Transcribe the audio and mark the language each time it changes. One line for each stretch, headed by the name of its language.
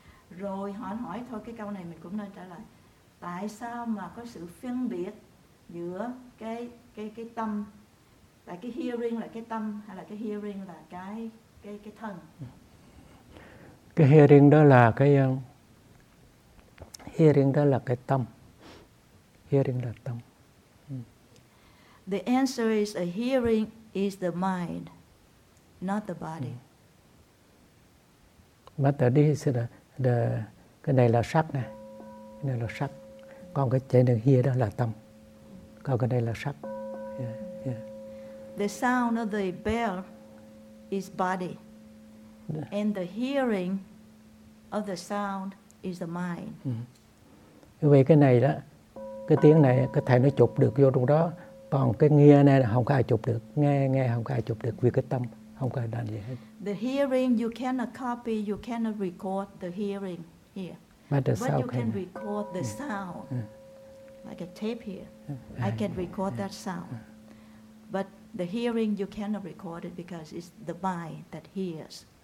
Vietnamese: Rồi họ hỏi thôi, cái câu này mình cũng nên trả lời. Tại sao mà có sự phân biệt giữa cái tâm? Tại cái hearing là cái tâm hay là cái hearing là cái thân? Cái hearing đó là cái hearing đó là cái tâm. Hearing là tâm.
English: The answer is a hearing is the mind, not the body. But this is the
Vietnamese: cái này là sắc nè. Cái này là sắc. Còn cái chế đường hear đó là tâm. Còn cái này là sắc. Yeah, yeah.
English: The sound of the bell is body. And the hearing of the sound is the mind.
Vietnamese: Vì cái này đó, cái tiếng này có thể nó chụp được vô trong đó. Còn cái nghe này là không có ai chụp được. Nghe không có ai chụp được vì cái tâm. Không có ai đàn gì hết.
English: The hearing, you cannot copy, you cannot record the hearing here. But you can record the sound, like a tape here. I can record that sound. But the hearing, you cannot record it because it's the mind that hears.